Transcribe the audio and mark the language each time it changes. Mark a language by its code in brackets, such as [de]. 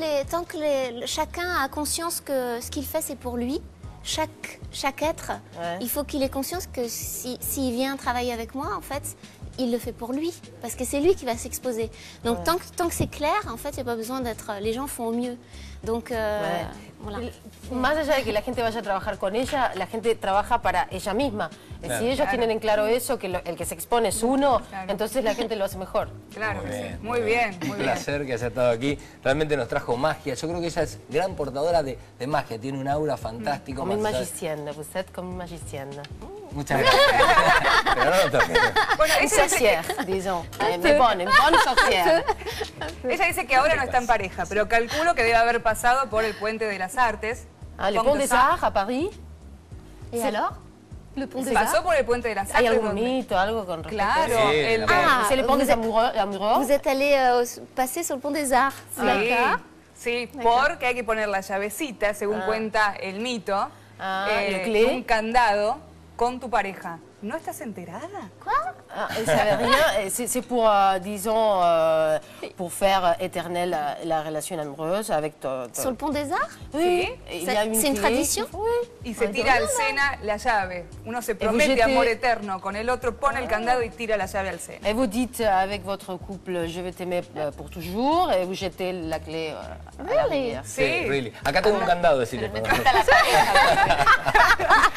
[fr] Tant que chacun a conscience que ce qu'il fait, c'est pour lui. Chaque être, ouais. Il faut qu'il ait conscience que s'il vient travailler avec moi, en fait, il le fait pour lui, parce que c'est lui qui va s'exposer. Donc ouais. tant que c'est clair, en fait, il n'y a pas besoin d'être... Les gens font au mieux. Donc, voilà. [es] Más allá de que la gente vaya a trabajar con ella, la gente trabaja para ella misma. Claro. Si ellos tienen en claro eso, que el que se expone es uno, entonces la gente lo hace mejor. Claro, muy bien. Un placer que haya estado aquí. Realmente nos trajo magia. Yo creo que ella es gran portadora de magia. Tiene un aura fantástico. Como un [fr] magicien, [es] usted como un magicien. Muchas gracias. Pero no lo toque. Bueno, [fr] sorcière. [es] Ella dice que ahora no está en pareja, pero calculo que debe haber pasado por el Puente de las Artes. Ah, el Pont des Arts, a París. ¿Y [fr] alors? [es] Le Pont des Arts. Pasó por el Puente de las Artes. Hay algún mito, algo con respecto. Claro. [fr] C'est le Pont des Amoureux. Vous êtes allé passer sur le Pont des Arts. [es] Sí, porque hay que poner la llavecita, según cuenta el mito. Ah, un candado. Con tu pareja. ¿No estás enterada? ¿Qué? [fr] Ça veut rien. C'est pour, disons, pour faire éternelle la relation amoureuse avec toi. Sur le pont des Arts? Oui. C'est une tradition? Oui. [es] Y se tira al Sena la llave. Uno se promete amor eterno con el otro, pone el candado y tira la llave al Sena. [fr] Et vous dites avec votre couple, je vais t'aimer pour toujours, et vous jetez la clé à l'arrière. [es] Sí, [en] really. [es] Acá tengo un candado, decirle. Pero me encanta la pareja.